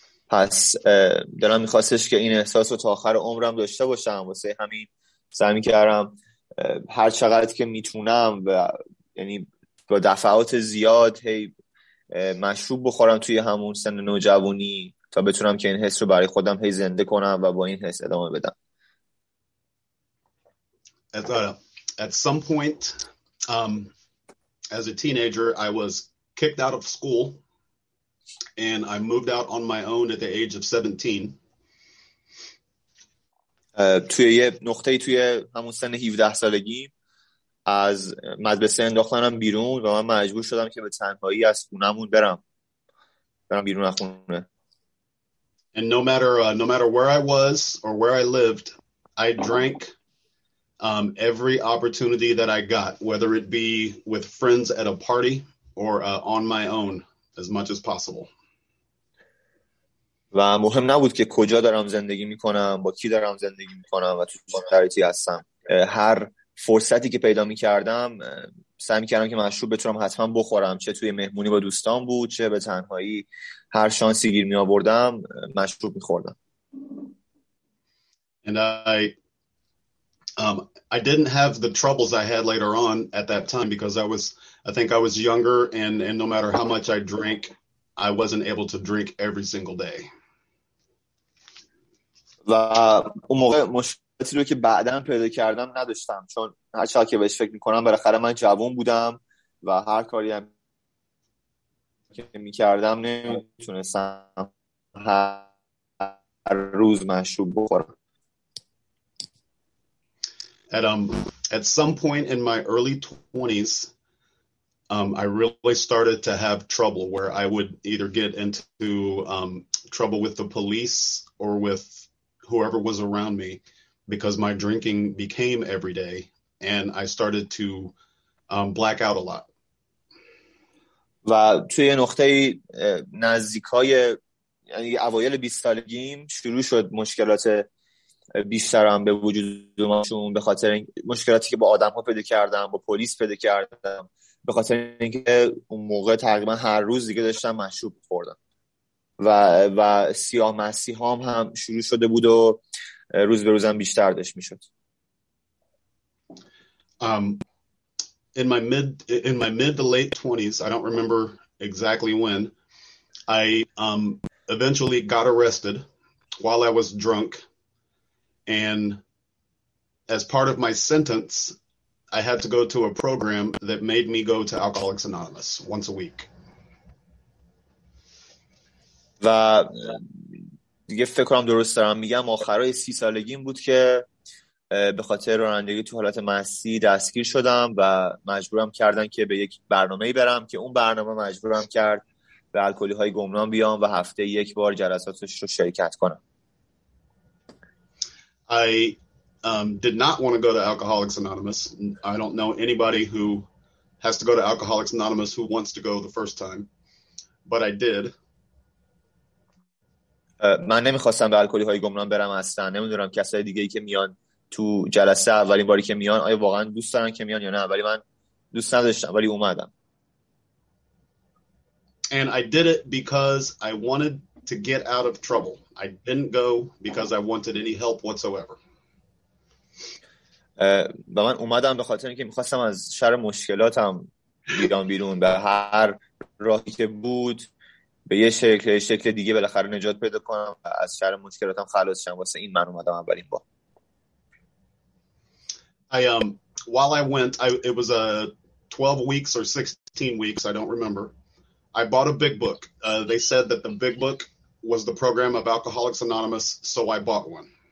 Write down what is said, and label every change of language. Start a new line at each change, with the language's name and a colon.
Persian: پس دلم می‌خواستش که این احساس رو تا آخر عمرم داشته باشم واسه همین سعی می‌کردم هر چقدر که میتونم و یعنی با دفعات زیاد هی مشروب بخورم توی همون سن نوجوانی تا بتونم که این حس رو برای خودم هی زنده کنم و با این حس ادامه بدم.
English: At some point as a teenager I was kicked out of school and I moved out on my own at the age of 17.
Persian: توی یه نقطه توی همون سن 17 سالگی از مدرسه انداختنم بیرون و من مجبور شدم که به تنهایی از خونمون برم بیرون از خونه.
English: And no matter where I was or where I lived, I drank every opportunity that I got, whether it be with friends at a party or on my own, as much as possible.
Persian: و مهم نبود که کجا دارم زندگی میکنم با کی دارم زندگی میکنم و تو شرایطی هستم، هر فرصتی که پیدا میکردم سعی میکردم که مشروب بتونم حتما بخورم، چه توی مهمونی با دوستان بود چه به تنهایی، هر شانسی گیر میآوردم مشروب میخوردم.
English: And I didn't have the troubles I had later on at that time because I think I was younger and no matter how much I drank I wasn't able to drink every single day.
Persian: و اون موقع مشکلاتی رو که بعداً پیدا کردم نداشتم، چون هر چقدر که بهش فکر میکنم بالاخره من جوان بودم و هر کاری هم که میکردم نمیتونستم هر روز مشروب بخورم.
English: At some point in my early 20s I really started to have trouble where I would either get into trouble with the police or with whoever was around me because my drinking became every day and I started to black out a lot.
Persian: و توی نقطه نزدیکای یعنی اوایل 20 سالگیم شروع شد مشکلات بیشترم به وجود اومدشون به خاطر مشکلاتی که با آدم ها پیدا کردم با پلیس پیدا کردم به خاطر اینکه اون موقع تقریبا هر روز دیگه داشتم مشروب می‌خوردم و سیاه مسیح هم شروع شده بود و روز به روزم بیشتر داشت می‌شد.
English: In my mid to late 20s, I don't remember exactly when, I eventually got arrested while I was drunk and as part of my sentence I had to go to a program that made me go to Alcoholics Anonymous once a week.
Persian: و دیگه فکر کنم درست دارم میگم آخرای 30 سالگیم بود که به خاطر رانندگی تو حالت مستی دستگیر شدم و مجبورم کردن که به یک برنامه‌ای برم که اون برنامه مجبورم کرد به الکلی‌های گمنام بیام و هفته یک بار جلساتش رو شرکت کنم.
English: I did not want to go to Alcoholics Anonymous. I don't know anybody who has to go to Alcoholics Anonymous who wants to go the first time. But I did.
Persian: من نمیخواستم به الکلی‌های گمنام برم اصلا. نمیدونم کسای دیگه‌ای که میان تو جلسه اولین باری که میان آیا واقعا دوست دارن که میان یا نه، ولی من دوست نداشتم ولی اومدم.
English: And I did it because I wanted to get out of trouble. I didn't go because I wanted any help whatsoever.
Persian: و من اومدم به خاطر اینکه میخواستم از شر مشکلاتم بیام بیرون، به هر راهی که بود به یه شکل دیگه بالاخره نجات پیدا کنم و از شر مشکلاتم خلاص شم. واسه این من اومدم اولین بار.
English: It was a 12 weeks or 16 weeks, I don't remember. I bought a big book. They said that the big book was the program of Alcoholics Anonymous, so I bought one.